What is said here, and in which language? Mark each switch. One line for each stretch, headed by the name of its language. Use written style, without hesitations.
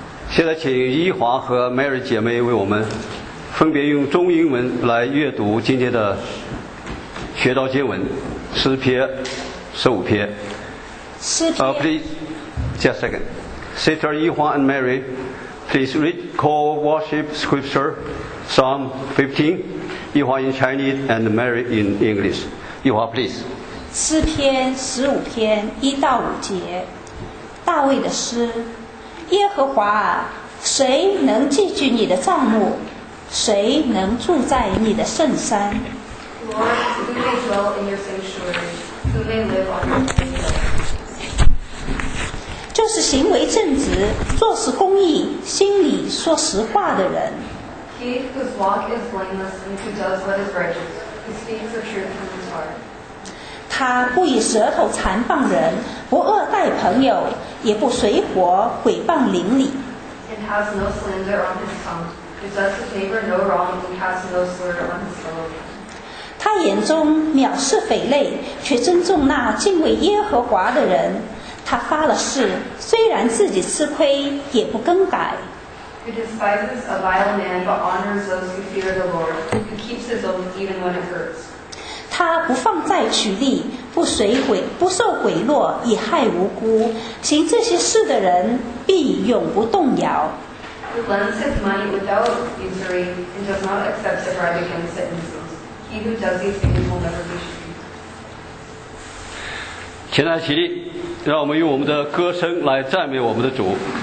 Chinese: 现在请依华和 Mary 姐妹为我们分别用中英文来阅读今天的学道经文诗篇十五篇。
English: Please, just a second. Sister Yihua and Mary, please read call worship scripture, Psalm 15, Yihua in Chinese and Mary in English. Yihua, please.
Chinese: 诗篇十五篇一到五节，大卫的诗。耶和华，谁能寄居你的帐幕？谁能住在你的圣山？
English: Lord, who may dwell in your sanctuary? Who may live on your hill?
Chinese: 就是行为正直，做事公义，心里说实话的人。
English: He whose walk is blameless and who does what is righteous, who speaks the truth from his heart.
Chinese: 他不以舌头残谤人，不恶待朋友，也不随火毁谤邻里。
English: And has no slander on his tongue, who does his neighbor no wrong and casts no slur on his fellow man.
Chinese: 他眼中藐视匪类，却尊重那敬畏耶和华的人。他发了誓，虽然自己吃亏，也不更改。
English: He despises a vile man, but honors those who fear the Lord, who keeps his oath even when it hurts.
Chinese: 他不放债取利，不受贿赂，以害无辜。行这些事的人，必永不动摇。
English: He lends his money without usury, and does not accept a bribe against it himself. He who does these things will never be shamed.
Chinese: 请大家起立。让我们用我们的歌声来赞美我们的主。